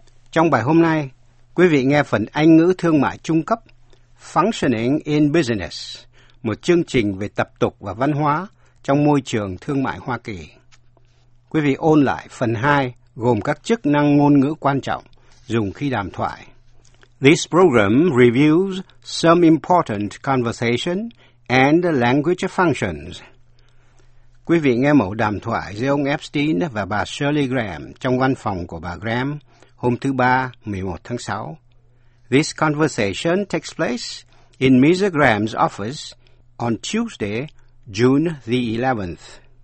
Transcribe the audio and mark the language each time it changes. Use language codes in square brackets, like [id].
[vi] Trong bài hôm nay, quý vị nghe phần Anh ngữ thương mại trung cấp Functioning in Business, một chương trình về tập tục và văn hóa trong môi trường thương mại Hoa Kỳ. Quý vị ôn lại phần 2 gồm các chức năng ngôn ngữ quan trọng dùng khi đàm thoại. [en] This program reviews some important conversation and language functions. [vi] Quý vị nghe mẫu đàm thoại giữa ông Epstein và bà Shirley Graham trong văn phòng của bà Graham hôm thứ Ba, 11 tháng 6. [en] This conversation takes place in Mrs. Graham's office on Tuesday, June the 11th.